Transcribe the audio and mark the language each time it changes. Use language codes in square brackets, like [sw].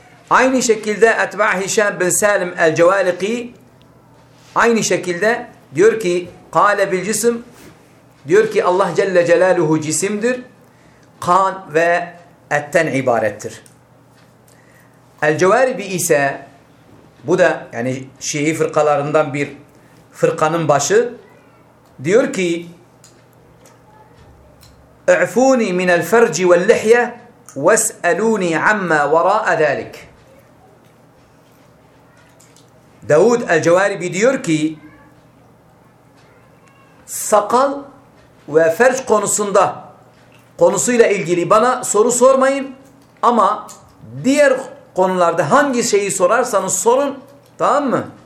[tr] Aynı şekilde Etba' Hişam bin Salim el-Cevaliki aynı şekilde diyor ki kâle bil cisim, diyor ki Allah Celle Celaluhu cisimdir. Kan ve etten ibarettir. El-Cevaribi ise bu da yani Şii fırkalarından bir fırkanın başı. Diyor ki [ar] اعفوني من الفرج واللحية واسألوني عما وراء ذلك. [tr] Davud el-Cevaribi diyor ki sakal ve ferç konusunda konusuyla ilgili bana soru sormayın ama diğer konularda hangi şeyi sorarsanız sorun, tamam mı?